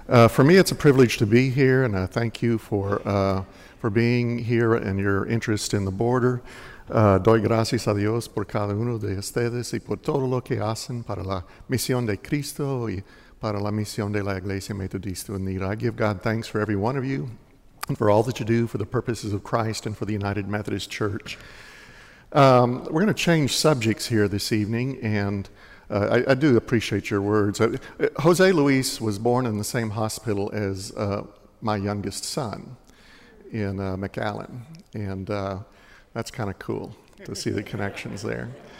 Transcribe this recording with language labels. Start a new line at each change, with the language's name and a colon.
English: For me, it's a privilege to be here, and I thank you for being here and your interest in the border.
Spanish: Doy gracias a Dios por cada uno de ustedes y por todo lo que hacen para la misión de Cristo y para la misión de la Iglesia Metodista Unida.
English: I give God thanks for every one of you and for all that you do for the purposes of Christ and for the United Methodist Church. We're going to change subjects here this evening, and I do appreciate your words. Jose Luis was born in the same hospital as my youngest son in McAllen, and that's kind of cool to see the connections there.